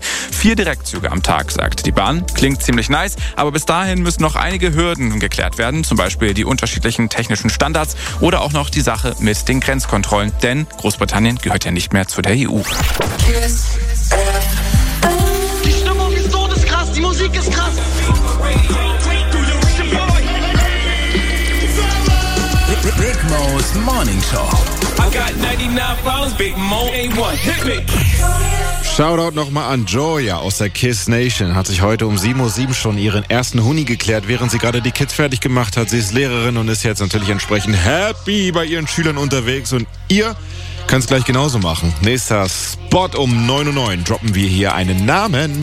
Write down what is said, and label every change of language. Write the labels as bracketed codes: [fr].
[de] 4 Direktzüge am Tag, sagt die Bahn. Klingt ziemlich nice, aber bis dahin müssen noch einige Hürden geklärt werden. Zum Beispiel die unterschiedlichen technischen Standards oder auch noch die Sache mit den Grenzkontrollen. Denn Großbritannien gehört ja nicht mehr zu der EU. Die Stimmung ist todeskrass, die Musik ist krass. [en] Big Mo's Morning Show. I got 99 problems, Big Mo ain't one. Hit me. [de] Shoutout nochmal an Joya aus der Kiss Nation. Hat sich heute um 7.07 Uhr schon ihren ersten Huni geklärt, während sie gerade die Kids fertig gemacht hat. Sie ist Lehrerin und ist jetzt natürlich entsprechend happy bei ihren Schülern unterwegs. Und ihr könnt es gleich genauso machen. Nächster Spot um 9.09 Uhr droppen wir hier einen Namen.